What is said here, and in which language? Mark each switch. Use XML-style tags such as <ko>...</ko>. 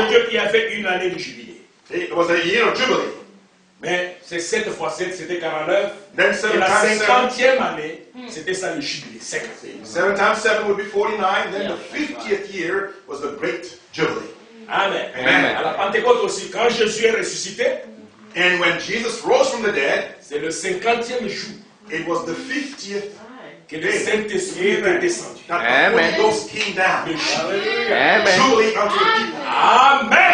<fr>de Dieu qui avait une année de Jubilé.</fr> <en>It was a year of Jubilee.</en> <fr>Mais c'est 7 fois 7, c'était 49,</fr> <en>then 7</en> <fr>et la 50e année, c'était ça le Jubilé,</fr> <en>7 times 7 would be 49, then yeah, the 50th year was the great Jubilee. Amen. Amen.</en> <fr>À la Pentecôte aussi, quand Jésus est ressuscité,</fr> <en>and when Jesus rose from the dead,</en> <fr>c'est le 50e jour.</fr> <en>It was the 50th</en> <fr>que le Saint-Esprit est descendu. Amen.</fr> <en>The Holy Ghost came down. Amen. Surely unto the people. Amen.</en>